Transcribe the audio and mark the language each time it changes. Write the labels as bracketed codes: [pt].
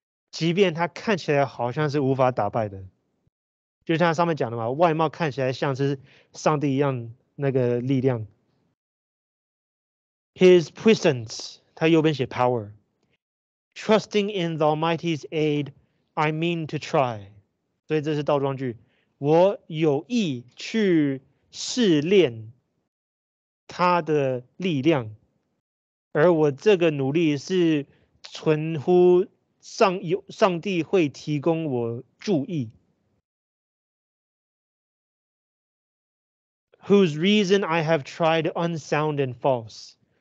[zh] 即便他看起来好像是无法打败的，就像上面讲的嘛，外貌看起来像是上帝一样那个力量。 [en] His puissance， [zh] 他右边写 [en] power。 Trusting in the Almighty's aid， I mean to try。 [zh] 所以这是倒装句，我有意去试炼他的力量，而我这个努力是存乎。上帝会提供我注意 [en] ，whose reason I have tried unsound and false。